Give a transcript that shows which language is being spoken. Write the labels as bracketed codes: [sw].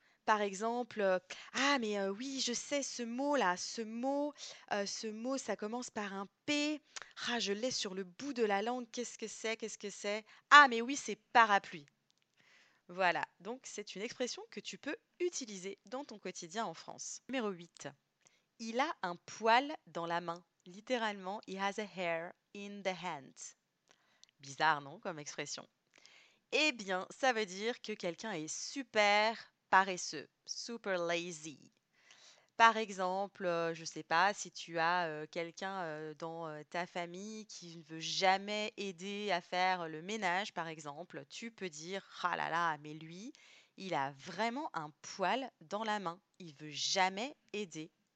[fr] Par exemple, ah mais oui, je sais ce mot-là, ce mot, ça commence par un P. Ah, je l'ai sur le bout de la langue. Qu'est-ce que c'est? Qu'est-ce que c'est? Ah mais oui, c'est parapluie. Voilà. Donc c'est une expression que tu peux utiliser dans ton quotidien en France. Numéro 8. Il a un poil dans la main. Littéralement, [en] he has a hair in the hand. [fr] Bizarre, non, comme expression. Eh bien, ça veut dire que quelqu'un est super paresseux, super lazy. Par exemple, je ne sais pas si tu as quelqu'un dans ta famille qui ne veut jamais aider à faire le ménage, par exemple, tu peux dire, ah là là, mais lui, il a vraiment un poil dans la main, il veut jamais aider.